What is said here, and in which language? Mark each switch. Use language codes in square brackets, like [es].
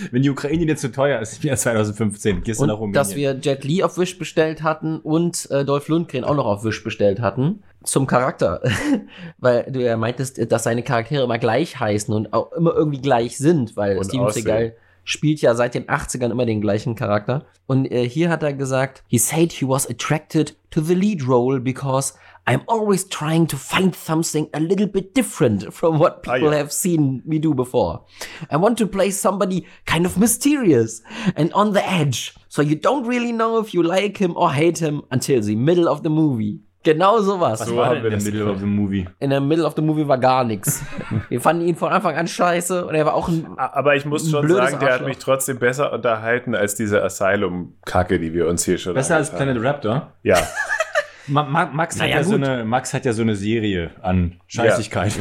[de] Wenn die Ukraine dir zu teuer ist, im Jahr 2015, gehst du nach Rumänien. Dass wir Jet Li auf Wish bestellt hatten und Dolph Lundgren auch noch auf Wish bestellt hatten. Zum Charakter. Weil du ja meintest, dass seine Charaktere immer gleich heißen und auch immer irgendwie gleich sind, weil und Steven aussehen. Seagal spielt ja seit den 80ern immer den gleichen Charakter. Und hier hat er gesagt, [en] he said he was attracted to the lead role because I'm always trying to find something a little bit different from what people have seen me do before. I want to play somebody kind of mysterious and on the edge. So you don't really know if you like him or hate him until the middle of the movie. [de] Genau sowas. Was war denn in der [en] Middle of the Movie? [de] In der [en] Middle of the Movie [de] war gar nichts. Wir fanden ihn von Anfang an scheiße und er war auch ein Aber ich muss schon sagen, der hat mich trotzdem besser unterhalten als diese Asylum-Kacke, die wir uns hier schon Besser als haben. Planet Raptor? Ja. Max hat ja so eine Serie an Scheißigkeit.